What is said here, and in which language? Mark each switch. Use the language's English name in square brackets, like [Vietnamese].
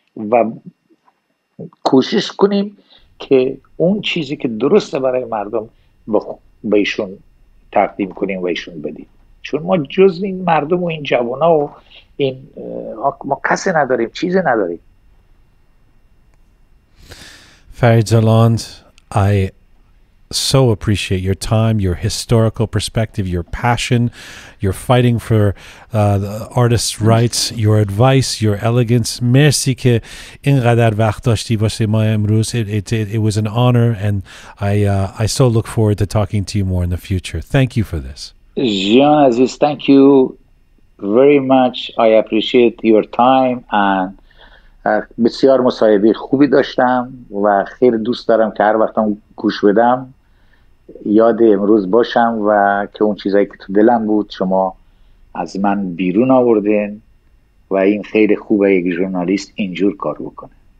[Persian] و کوشش کنیم که اون چیزی که درسته برای مردم به ایشون تقدیم کنیم و ایشون بدیم، چون ما جز این مردم و این جوانا و این ما کسی نداریم، چیزی نداریم. [English] Farid Zoland, I so appreciate your time, your historical perspective, your passion, your fighting for the artists' rights, your advice, your elegance. [Persian] Merci que inqadar vaght dashti bashe ma emruz. [English] It was an honor, and I so look forward to talking to you more in the future. Thank you for this. Jian Aziz, thank you very much. I appreciate your time and [Persian] بسیار مصاحبه خوبی داشتم و خیلی دوست دارم که هر وقتم گوش بدم یاد امروز باشم و که اون چیزایی که تو دلم بود شما از من بیرون آوردین، و این خیلی خوبه یک ژورنالیست اینجور کار بکنه.